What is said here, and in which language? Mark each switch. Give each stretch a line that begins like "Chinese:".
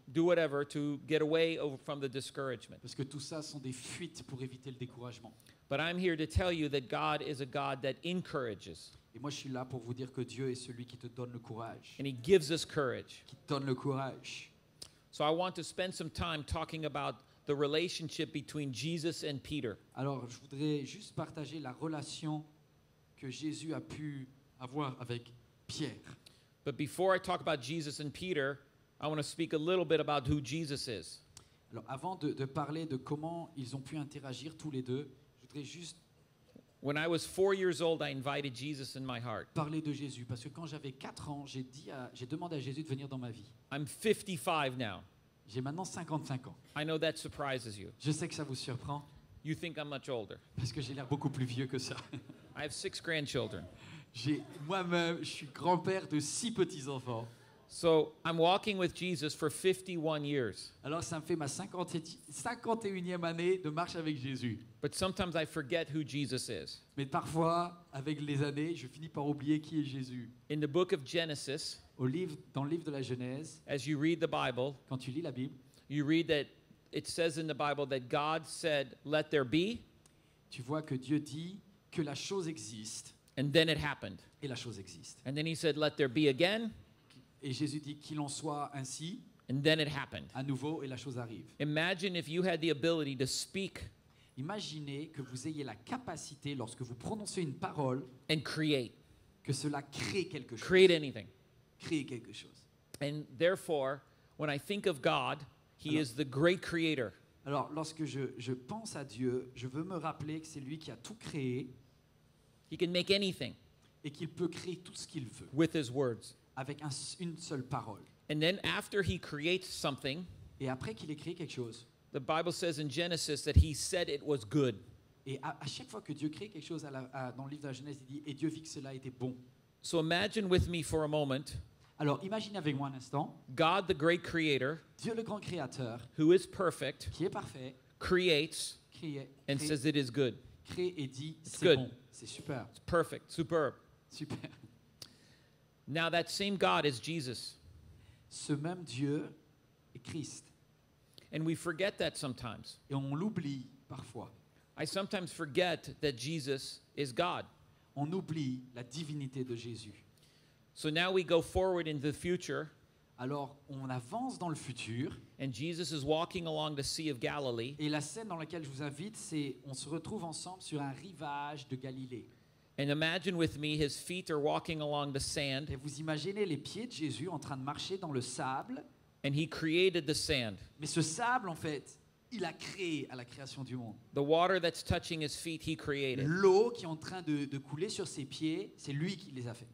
English: Do whatever to get away from the discouragement.
French: Parce que tout ça sont des fuites pour éviter le découragement.
English: But I'm here to tell you that God is a God that encourages.
French: Et moi je suis là pour vous dire que Dieu est celui qui te donne le courage.
English: And he gives us courage.
French: Qui te donne le courage.
English: So I want to spend some time talking about the relationship between Jesus and Peter.
French: Alors, je voudrais juste partager la relation que Jésus a pu avoir avec Pierre.
English: But before I talk about Jesus and Peter, I want to speak a little bit about who Jesus is.
French: Alors, avant de parler de comment ils ont pu interagir tous les deux, je voudrais juste.
English: When I was 4 years old, I invited Jesus in my heart.
French: Parler de Jésus, parce que quand j'avais 4 ans, j'ai demandé à Jésus de venir dans ma vie.
English: I'm 55 now.
French: J'ai maintenant 55 ans.
English: I know that surprises you.
French: Je sais que ça vous surprend.
English: You think I'm much older.
French: Parce que j'ai l'air beaucoup plus vieux que ça.
English: I have 6 grandchildren.
French: J'ai moi-même, je suis grand-père de 6 petits-enfants.
English: So I'm walking with Jesus for 51 years.
French: Alors ça me fait ma 51e année de marche avec Jésus.
English: But sometimes I forget who Jesus is.
French: Mais parfois, avec les années, je finis par oublier qui est Jésus.
English: In the book of Genesis,
French: dans le livre de la Genèse,
English: as you read the Bible,
French: quand tu lis la Bible,
English: you read that it says in the Bible that God said, "Let there be."
French: Tu vois que Dieu dit que la chose existe.
English: And then it happened.
French: Et la chose existe.
English: And then he said, "Let there be again."
French: Et Jésus dit qu'il en soit ainsi.
English: And then it happened.
French: À nouveau, et la chose arrive.
English: Imagine if you had the ability to speak.
French: Imaginez que vous ayez la capacité, lorsque vous prononcez une parole,
English: and create.
French: Que cela crée quelque chose.
English: Create anything.
French: Crée quelque chose.
English: And therefore, when I think of God, is the great creator.
French: Alors, lorsque je pense à Dieu, je veux me rappeler que c'est lui qui a tout créé.
English: He can make anything.
French: Et qu'il peut créer tout ce qu'il veut.
English: With his words.
French: Avec une seule parole.
English: And then after he creates something,
French: et après qu'il ait créé quelque chose,
English: the Bible says in Genesis that he said it was good.
French: Et à chaque fois que Dieu crée quelque chose dans le livre de la Genèse, il dit, et Dieu vit que cela était bon.
English: So imagine with me for a moment,
French: alors imagine avec moi un instant,
English: God the great creator,
French: Dieu le grand créateur,
English: who is perfect,
French: qui est parfait,
English: creates,
French: crée,
English: says it is good.
French: Crée et dit,
English: it's
French: c'est
English: good.
French: Bon, c'est super.
English: It's perfect, superb.
French: Super.
English: Now that same God is Jesus.
French: Ce même Dieu est Christ.
English: And we forget that sometimes.
French: Et on l'oublie parfois.
English: I sometimes forget that Jesus is God.
French: On oublie la divinité de Jésus.
English: So now we go forward into the future.
French: Alors on avance dans le futur.
English: And Jesus is walking along the Sea of Galilee.
French: Et la scène dans laquelle je vous invite, c'est on se retrouve ensemble sur un rivage de Galilée.
English: And imagine with me his feet are walking along the sand.
French: Et vous imaginez les pieds de Jésus en train de marcher dans le sable.
English: And he created the sand.
French: Mais ce sable en fait, il a créé à la création du monde.
English: The water that's touching his feet, he created.
French: L'eau qui est en train de couler sur ses pieds, c'est lui qui les a fait.